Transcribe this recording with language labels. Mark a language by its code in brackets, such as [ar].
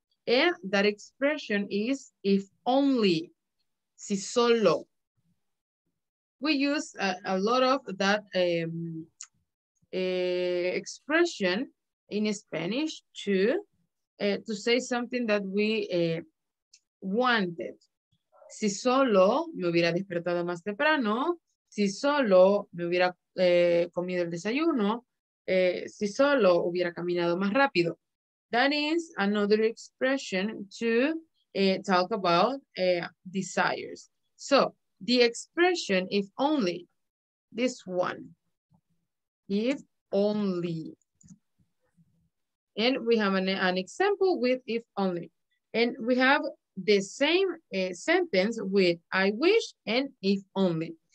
[en] And that expression is if only, [es] si solo. [en] We use a lot of that expression in Spanish to say something that we wanted. [es] Si solo me hubiera despertado más temprano, si solo me hubiera comido el desayuno, si solo hubiera caminado más rápido. [en] That is another expression to talk about desires. So, the expression if only, this one, if only. And we have an example with if only. And we have the same sentence with I wish and if only.